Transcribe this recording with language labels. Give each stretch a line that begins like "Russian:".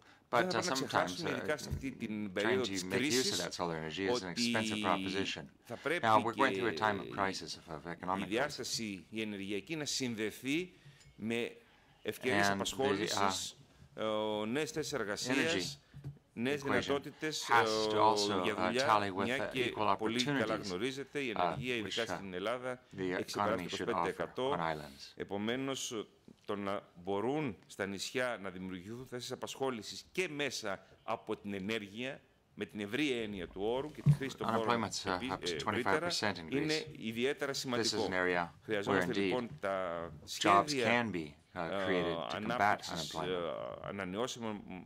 English: But sometimes trying to make use of that solar energy is an expensive proposition. Now we're going through a time of crisis, of economic crisis.
Greek: Η ενεργειακή να συνδεθεί με ευκαιρίες απασχόλησης. Νέες θέσεις εργασίας, νέες δυνατότητες για δουλειά, και πολύ καλά γνωρίζετε, η ενεργία, ειδικά στην Ελλάδα, εξυπηρετεί 25%. Επομένως, το να μπορούν στα νησιά να δημιουργηθούν θέσεις απασχόλησης και μέσα από την ενέργεια, με την ευρύ έννοια του όρου και τη χρήση των όρων ευρύτερα, είναι ιδιαίτερα σημαντικό. Χρειαζόμαστε λοιπόν τα σχέδια
English: created to combat unemployment.